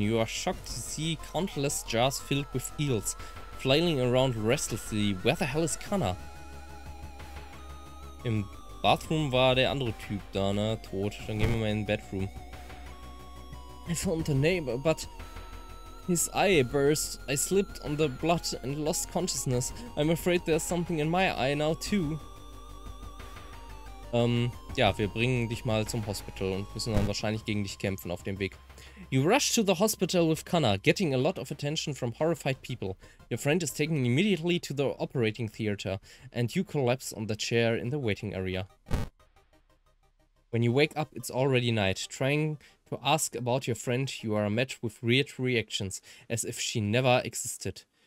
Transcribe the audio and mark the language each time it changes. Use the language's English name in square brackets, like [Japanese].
[English] You are shocked to see countless jars filled with eels, flailing around restlessly. Where the hell is Connor? Im [German] Bathroom war der andere Typ da, ne? Tot. Dann gehen wir mal in den Bedroom. [English] I found the neighbor, but his eye burst. I slipped on the blood and lost consciousness. I'm afraid there's something in my eye now too. [German] Ja, wir bringen dich mal zum Hospital und müssen dann wahrscheinlich gegen dich kämpfen auf dem Weg. [English] You rush to the hospital with Kana, getting a lot of attention from horrified people. Your friend is taken immediately to the operating theater and you collapse on the chair in the waiting area. When you wake up, it's already night. Trying to ask about your friend, you are met with weird reactions, as if she never existed.